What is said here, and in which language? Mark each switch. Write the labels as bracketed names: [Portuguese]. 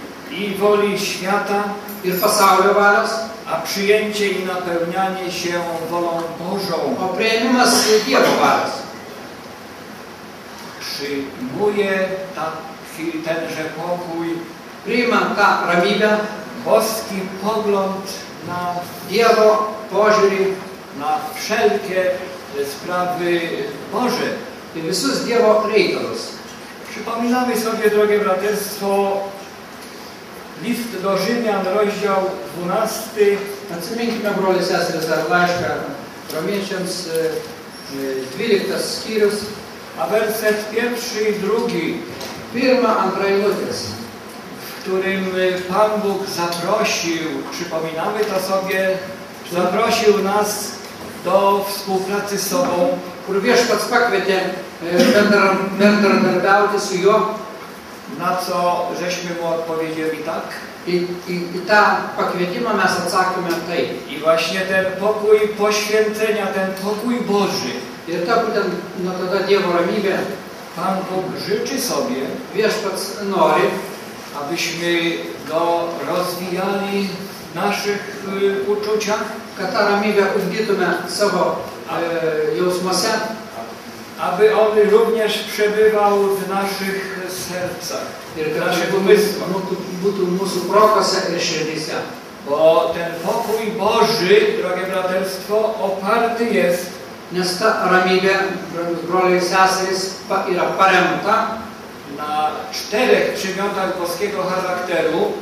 [Polish] I woli świata. [Lithuanian] Ir pasaulio valios. [Polish] A przyjęcie i napełnianie się wolą Bożą. [Lithuanian] O priejmimas Dievo valios. [Polish] Przyjmuje ta chwil tenże pokój. [Lithuanian] Priimam ta ramybę. [Polish] Boski pogląd na [Lithuanian] Dievo požiūrį. [Polish] Na wszelkie sprawy Boże. [Lithuanian] I visus Dievo reikalus. [Polish] Przypominamy sobie, drogie braterstwo, list do Rzymian, rozdział 12. [Lithuanian] Atsiminkime, broli, seserys, dar laišką romiečiams, 12 skyrius. [Polish] A werset 1 i 2. [Lithuanian] Pirma, antra eilutės. [Polish] W którym Pan Bóg zaprosił, przypominamy to sobie, zaprosił nas do współpracy z sobą. [Lithuanian] Kur viešpats pakvietė bendradarbiauti su juo. [Polish] Na co żeśmy mu odpowiedzieli tak. [Lithuanian] I ta pakvietimą mes atsakėme taip. [Polish] I właśnie ten pokój poświęcenia, ten pokój Boży. [Lithuanian] Ir ta būtent, no tada Dievo ramybė. [Polish] Pan Bóg życzy sobie. [Lithuanian] Viešpats nori. [Polish] Abyśmy go rozwijali w naszych uczuciach. [Lithuanian] Kad tą ramybę ugdytume savo jausmose. [Polish] Aby on również przebywał w naszych sercach. Ir w naszych umysłach. [Lithuanian] Būtų mūsų protuose ir širdyse. [Polish] Bo ten pokój Boży, drogie braterstwo, oparty jest. [Lithuanian] Nes ta ramybė, broliai ir seserys, yra paremta. [Polish] Na czterech przymiotach boskiego charakteru.